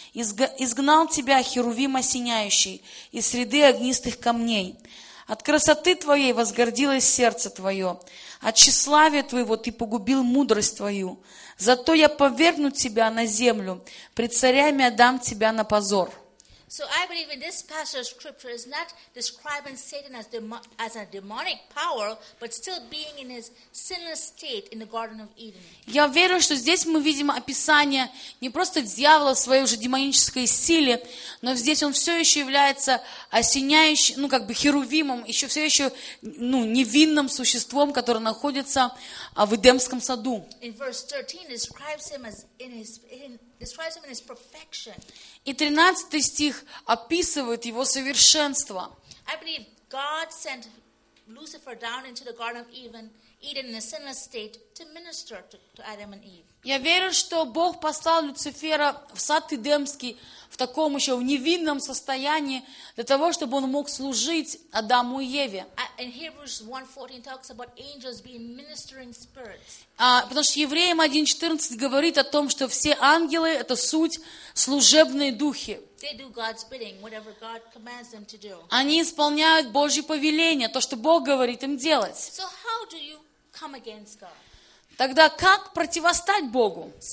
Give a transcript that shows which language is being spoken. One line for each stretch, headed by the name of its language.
Russian: Изгнал тебя, херувим осеняющий, из среды огнистых камней. От красоты твоей возгордилось сердце твое. От тщеславия твоего ты погубил мудрость твою. Зато я повергну тебя на землю, пред царями отдам тебя на позор.
English: So I believe in this passage of scripture is not describing Satan as a demonic power, but still being in his sinless state in the Garden of Eden.
Russian: Я верю, что здесь мы видим описание не просто дьявола в своей уже демонической силе, но здесь он все еще является осеняющим, ну как бы херувимом, еще все еще ну невинным существом, которое находится в Эдемском саду.
English: In verse 13, it describes him as describes him in his perfection.
Russian: И 13 стих описывает его совершенство.
English: I believe God sent Lucifer down into the Garden of Eden in a sinless state to minister to Adam and Eve.
Russian: Я верю, что Бог послал Люцифера в сад Эдемский в таком еще в невинном состоянии для того, чтобы он мог служить Адаму и Еве.
English: And Hebrews 1:14 talks about angels being ministering spirits.
Russian: Потому что Евреям 1:14 говорит о том, что все ангелы это суть служебные духи.
English: They do God's bidding, whatever God commands them to do.
Russian: Они исполняют Божьи повеления, то, что Бог говорит им делать.
English: So how do you come against God?
Russian: Тогда как противостать Богу?